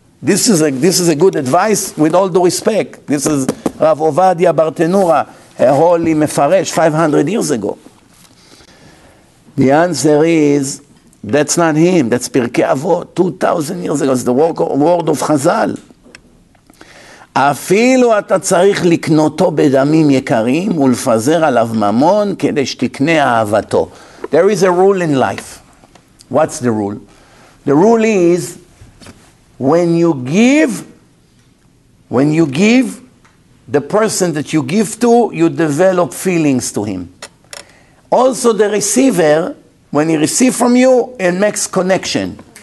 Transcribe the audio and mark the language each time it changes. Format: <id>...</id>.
<en>This is a good advice, with all due respect. This is Rav Ovadia Bartenura, a holy mefaresh 500 years ago. The answer is, that's not him. That's Pirkei Avot, 2,000 years ago. It's the word of Chazal.</en> <he>אפילו אתה צריך לקנותו בדמים יקרים ולפזר עליו ממון כדי שתקנה אהבתו.</he> <en>There is a rule in life. What's the rule? The rule is, when you give the person that you give to, you develop feelings to him. Also the receiver, when he receives from you, it makes connection.</en>